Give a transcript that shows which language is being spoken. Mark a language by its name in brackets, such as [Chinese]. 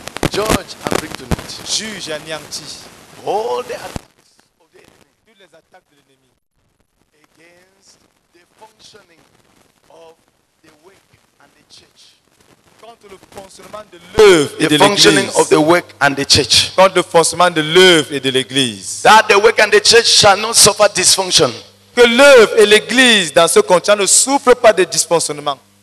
[English] Judge and bring to naught. [French] Juge et anéantis. [English] All the attacks of the enemy. [French] Toutes les attaques de l'ennemi. [English] Against the functioning of the work and the church. [French] Contre le fonctionnement de l'œuvre et de l'église. [English] The functioning of the work and the church. [French] Contre le fonctionnement de l'œuvre et de l'église. [English] That the work and the church shall not suffer dysfunction. [French] Que l'œuvre et l'église dans ce continent ne souffrent pas de dysfonctionnement.